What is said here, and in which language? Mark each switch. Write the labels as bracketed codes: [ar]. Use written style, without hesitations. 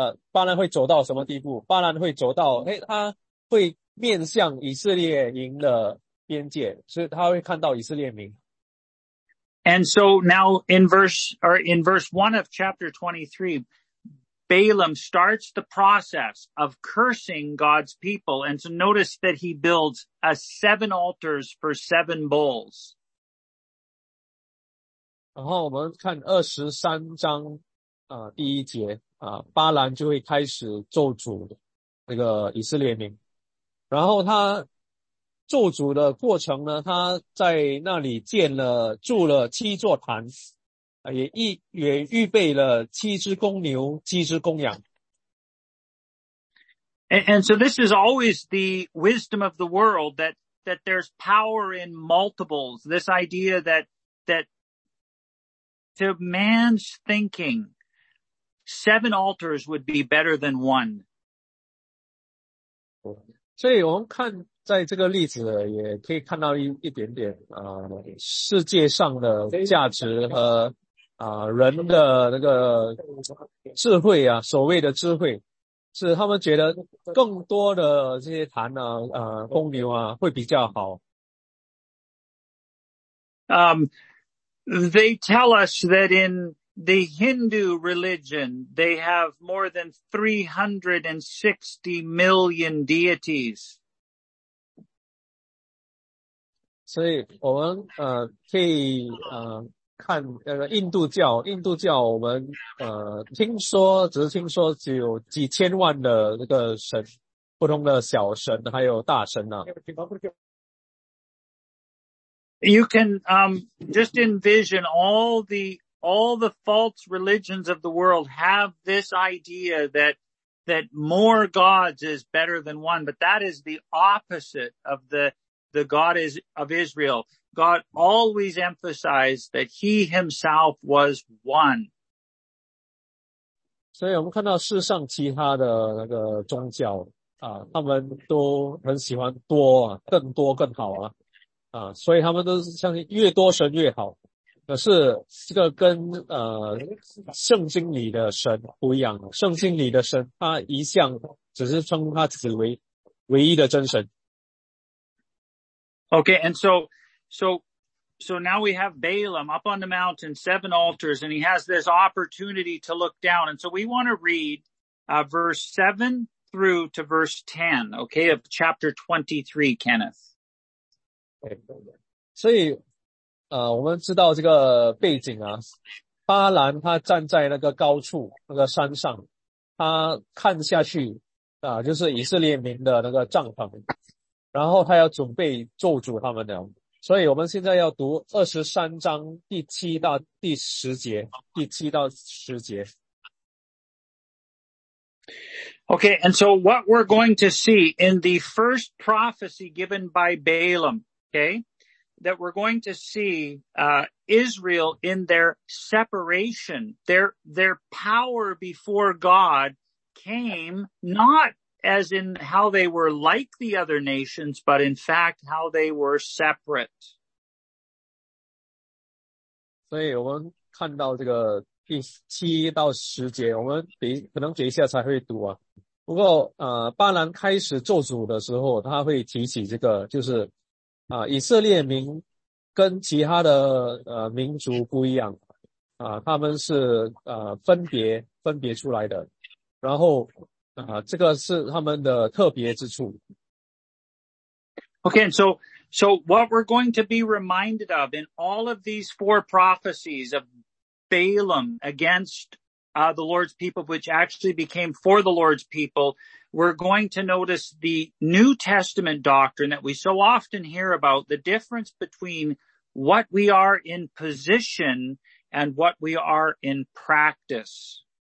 [zh] 巴兰会走到什么地步？巴兰会走到，他会面向以色列营的边界，所以他会看到以色列民。 [en] And so now in verse 1 of chapter 23, Balaam starts the process of cursing God's people. And so notice that he builds a 7 altars for 7 bulls. [zh] 然后我们看23章第一节巴兰就会开始咒诅那个以色列民。然后他咒诅的过程呢，他在那里筑了七座坛，也预备了七只公牛、七只公羊。 [en] And so this is always the wisdom of the world that there's power in multiples. This idea that to man's thinking, 7 altars would be better than 1. [zh] 所以我们看在这个例子也可以看到一点点世界上的价值和人的那个智慧啊，所谓的智慧，是他们觉得更多的这些坛公牛啊会比较好。 [en] They tell us that in the Hindu religion, they have more than 360 million deities. [zh] 所以我们可以看印度教我们只是听说只有几千万的那个神，不同的小神还有大神啊。 [en] You can just envision all the false religions of the world have this idea that more gods is better than one, but that is the opposite of the God is of Israel. God always emphasized that he himself was one. [zh] 所以我们看到世上其他的那个宗教他们都很喜欢多啊，更多更好啊。所以他们都是相信越多神越好，可是这个跟圣经里的神不一样。圣经里的神他一向只是称他自己为唯一的真神。 [en] Okay, and so now we have Balaam up on the mountain, 7 altars, and he has this opportunity to look down. And so we want to read verse 7 through to verse 10, okay, of chapter 23, Kenneth. [zh] 所以我们知道这个背景巴兰他站在那个高处那个山上，他看下去就是以色列民的那个帐篷，然后他要准备咒诅他们了。所以我们现在要读23章第七到第十节，第七到十节。 [en] Okay, and so what we're going to see in the first prophecy given by Balaam, okay, that we're going to see Israel in their separation, their power before God came not as in how they were like the other nations, but in fact how they were separate. [zh] 所以我们看到这个第七到十节，我们可能等一下才会读啊。不过巴兰开始做主的时候，他会提起这个，就是以色列民跟其他的民族不一样他们是分别出来的，然后这个是他们的特别之处。 [en] Okay, and so what we're going to be reminded of in all of these four prophecies of Balaam against the Lord's people, which actually became for the Lord's people, we're going to notice the New Testament doctrine that we so often hear about, the difference between what we are in position and what we are in practice.